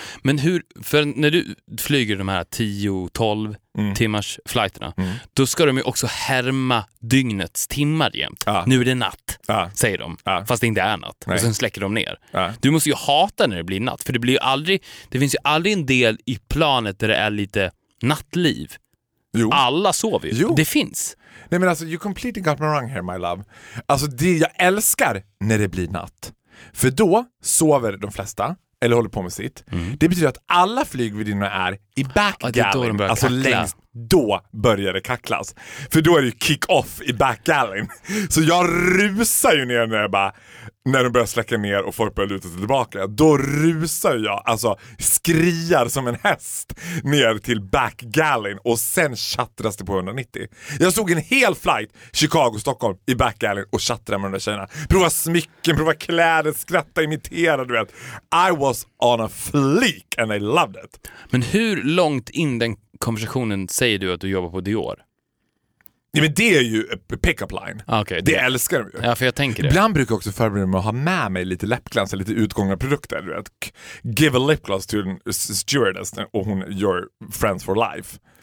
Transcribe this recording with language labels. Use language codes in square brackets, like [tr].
[sv] Men hur, för när du flyger de här 10-12 timmars flighterna, då ska de ju också härma dygnets timmar jämt. Ah. Nu är det natt, säger de. Ah. Fast det inte är natt. Nej. Och sen släcker de ner. Ah. Du måste ju hata när det blir natt. För det blir ju aldrig, det finns ju aldrig en del i planet där det är lite nattliv. Jo. Alla sover ju. Det finns. Nej, men alltså, [en] you completely got me wrong here, my love. [sv] Alltså, det jag älskar när det blir natt. För då sover de flesta, eller håller på med sitt. Mm. Det betyder att alla flygvärdinnor är i back gallery. Alltså kackla. Längst, då börjar det kacklas. För då är det ju kick off i back gallery. Så jag rusar ju ner när de börjar släcka ner och folk börjar luta sig tillbaka. Då rusar jag, alltså skriar som en häst ner till back gallery. Och sen chattras det på 190. Jag såg en hel flight, Chicago-Stockholm, i back gallery och chattrade med de där tjejerna. Prova smycken, prova kläder, skratta, imitera, du vet. [en] I was on a fleek and I loved it. [sv] Men hur långt in den konversationen säger du att du jobbar på Dior? Ja, men det är ju pick-up line. [en] Okay, [sv] det älskar de ju. Ja, för jag tänker det. Ibland brukar jag också förbereda mig att ha med mig lite läppglans eller lite utgångna produkter. Du vet. [en] Give a lip gloss to a stewardess [sv] och hon, [en] your friends for life.